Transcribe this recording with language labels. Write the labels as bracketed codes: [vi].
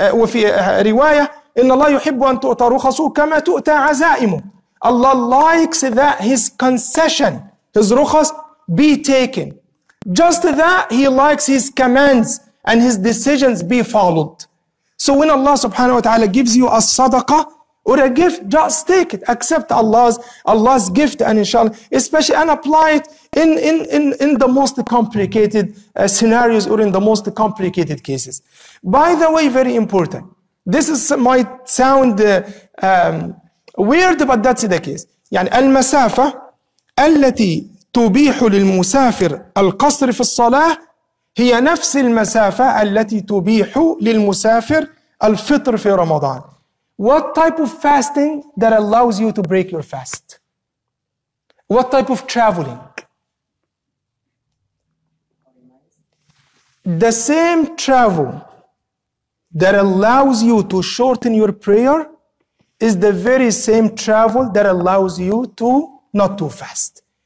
[ar] وفي رواية, إِنَّ اللَّهَ يُحِبُّ أَن تُؤْتَى رُخَصُهُ كَمَا تُؤْتَى عَزَائِمُهُ. [en] Allah likes that his concession, his rukhas, be taken. Just that he likes his commands and his decisions be followed. So when Allah subhanahu wa ta'ala gives you a sadaqah, or a gift, just take it. Accept Allah's gift, and inshallah, especially and apply it in the most complicated scenarios or in the most complicated cases. By the way, very important. This is might sound weird, but that's the case. [ar] يعني المسافة التي تبيح للمسافر القصر في الصلاة هي نفس المسافة التي تبيح للمسافر الفطر في رمضان. [en] What type of fasting that allows you to break your fast? What type of traveling? The same travel that allows you to shorten your prayer is the very same travel that allows you to not to fast.